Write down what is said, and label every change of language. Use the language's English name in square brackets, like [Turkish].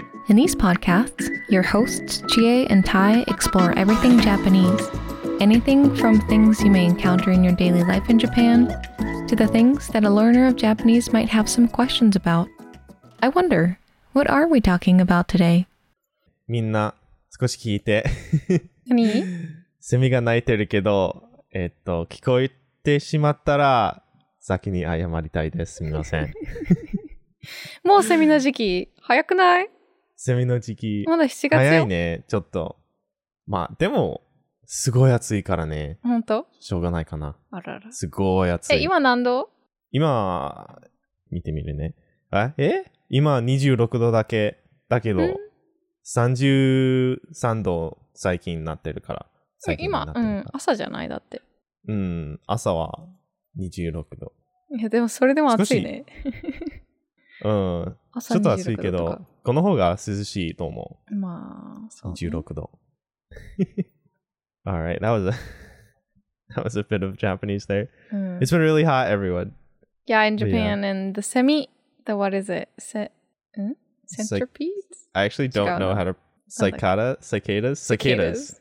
[English] In these podcasts, your hosts, Chie and Tai, explore everything Japanese. Anything from things you may encounter in your daily life in Japan, to the things that a learner of Japanese might have some questions about. I wonder, what are we talking about today? [Japanese] Minna, 少し聞いて。何? セミが鳴いてるけど、聞こえてしまったら、先に謝りたいです。すみません。もうセミの時期、早くない? セミの時期、まだ7月よ。早いね、ちょっと。まあ、でも、すごい暑いからね。ほんと? しょうがないかな。あらら。すごい暑い。今何度? 今、見てみるね。今26度だけ。だけど、33度最近になってるから。最近になってるから。今、朝じゃないだって。朝は26度。いや、でもそれでも暑いね。朝26度とか。ちょっと暑いけど、この方が涼しいと思う。まあ、そう、ね。 26度。 [English] All right, that was a bit of Japanese there. It's been really hot, everyone. Yeah, in Japan, yeah. And the semi, the what is it? Centipedes? I actually don't know how to... Cicadas?